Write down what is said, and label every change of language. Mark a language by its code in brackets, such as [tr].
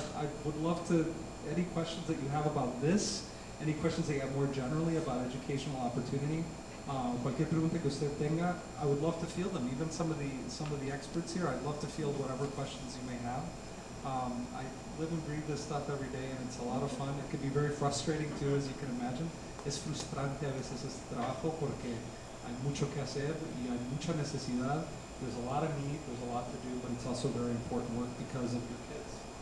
[en] I would love to, any questions that you have about this, any questions that you have more generally about educational opportunity, [es] cualquier pregunta que usted tenga, [en] I would love to field them, even some of the experts here, I'd love to field whatever questions you may have. I live and breathe this stuff every day, and it's a lot of fun. It can be very frustrating too, as you can imagine. [es] Es frustrante a veces este trabajo porque hay mucho que hacer y hay mucha necesidad, [en] there's a lot of need, there's a lot to do, but it's also very important work because of your kids.